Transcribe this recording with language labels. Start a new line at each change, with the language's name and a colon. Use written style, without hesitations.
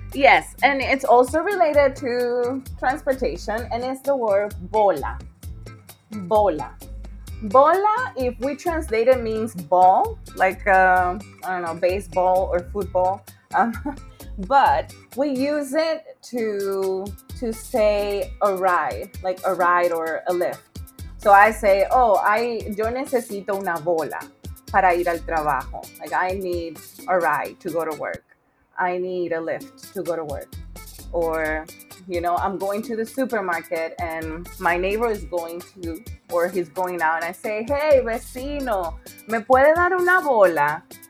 English: Yes, and it's also related to transportation, and it's the word bola. Bola. Bola, if we translate it, means ball, like, I don't know, baseball or football. But we use it to say a ride, like a ride or a lift. So I say, oh,
Spanish: yo necesito una bola para ir al trabajo.
English: Like, I need a ride to go to work. I need a lift to go to work. Or, you know, I'm going to the supermarket and my neighbor is going to, or he's going out, and I say, hey,
Spanish: vecino, ¿me puede dar una bola?